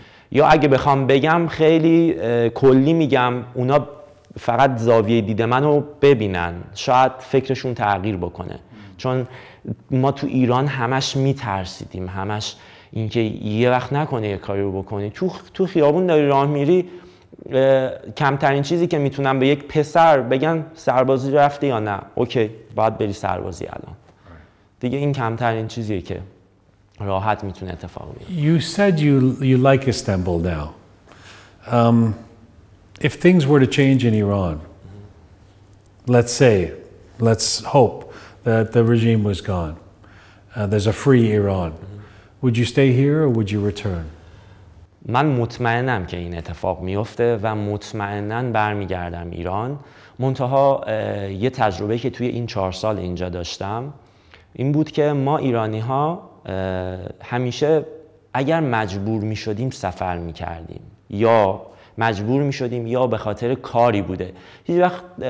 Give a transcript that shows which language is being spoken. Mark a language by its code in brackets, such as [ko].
[fa] یا اگه بخوام بگم خیلی کلی میگم اونا فقط زاویه دید منو ببینن شاید فکرشون تغییر بکنه چون ما تو ایران همش میترسیدیم همش اینکه یه وقت نکنه یه کاری رو بکنی تو خیابون داری راه میری کمترین چیزی که میتونم به یک پسر بگم سربازی رفته یا نه اوکی باید بری سربازی الان دیگه این کمترین چیزیه که راحت میتونه اتفاق بیفته. [en] You said you like Istanbul now. If things were to change in Iran, let's hope that the regime was gone. There's a free Iran. Would you stay here or would you return? [fa] من مطمئنم که این اتفاق میفته و مطمئنن برمیگردم ایران. منتها یه تجربه که توی این 4 سال اینجا داشتم این بود که ما ایرانی ها همیشه اگر مجبور می شدیم سفر می کردیم یا مجبور می شدیم یا به خاطر کاری بوده هیچ وقت